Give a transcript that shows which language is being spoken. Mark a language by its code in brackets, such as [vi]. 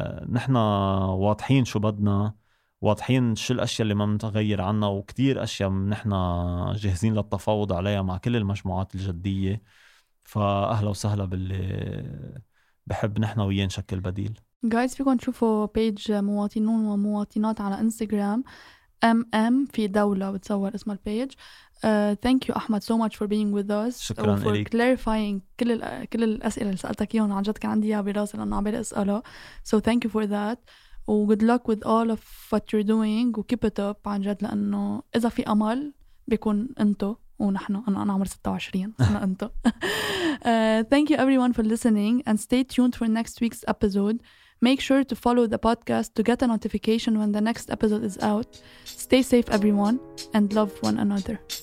[ar] نحن واضحين شو بدنا، واضحين شو الأشياء اللي ما متغير عنا، وكتير أشياء نحن جاهزين للتفاوض عليها مع كل المجموعات الجدية، فأهلا وسهلا باللي بحب نحن وياه نشكل بديل. جايز فيكم تشوفوا بيج مواطنون ومواطنات على انستغرام MM في دولة بتصور اسمها البيج. [en] Thank you أحمد so much for being with us. [ar] شكرا لك. [en] For [ar] إليك. [en] clarifying [ar] كل الأسئلة اللي سألتك إياهم عن جد كان عندي إياها براسي لأنه عم بسأله. [en] So thank you for that. و good luck with all of what you're doing. [ar] و [en] keep it up [ar] عن جد لأنه إذا في أمل بيكون أنتو ونحن. أنا عمر 26 أنا أنتو. [en] Thank you everyone for listening and stay tuned for next week's episode. Make sure to follow the podcast to get a notification when the next episode is out. Stay safe, everyone, and love one another.